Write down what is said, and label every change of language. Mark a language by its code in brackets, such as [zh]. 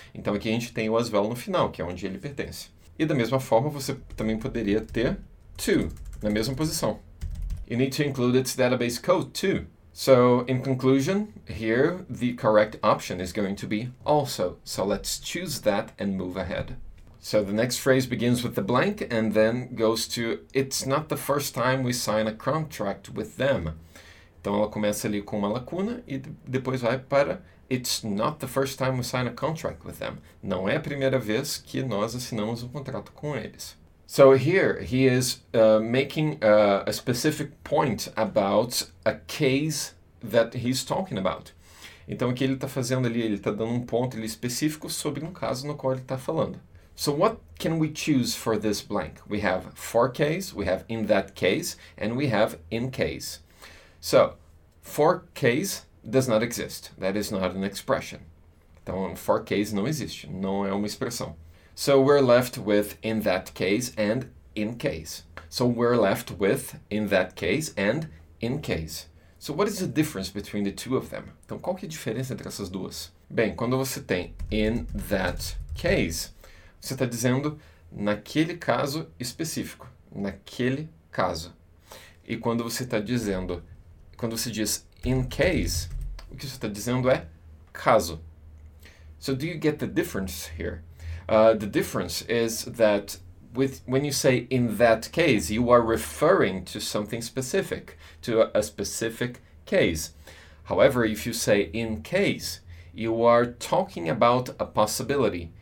[pt] Então aqui a gente tem o as well no final, que é onde ele pertence. E da mesma forma, você também poderia ter to na mesma posição. [en] You need to include its database code too. So in conclusion, here the correct option is going to be also. So let's choose that and move ahead. So the next phrase begins with the blank and then goes to it's not the first time we sign a contract with them. [pt] Então ela começa ali com uma lacuna e depois vai para [en] it's not the first time we sign a contract with them. [pt] Não é a primeira vez que nós assinamos um contrato com eles. [en] So here he is making a specific point about a case that he's talking about. [pt] Então aqui ele está fazendo ali, ele está dando um ponto ali específico sobre um caso no qual ele está falando. [en] So what can we choose for this blank? We have for case, we have in that case, and we have in case. So for case does not exist. That is not an expression. [pt] Então for case não existe, não é uma expressão. [en] So we're left with in that case and in case. So we're left with in that case and in case. So what is the difference between the two of them? [pt] Então qual que é a diferença entre essas duas? Bem, quando você tem in that case, você está dizendo naquele caso específico, naquele caso. E quando você está dizendo, quando você diz in case, o que você está dizendo é caso. [en] So do you get the difference here? The difference is that when you say in that case, you are referring to something specific, to a specific case. However, if you say in case, you are talking about a possibility.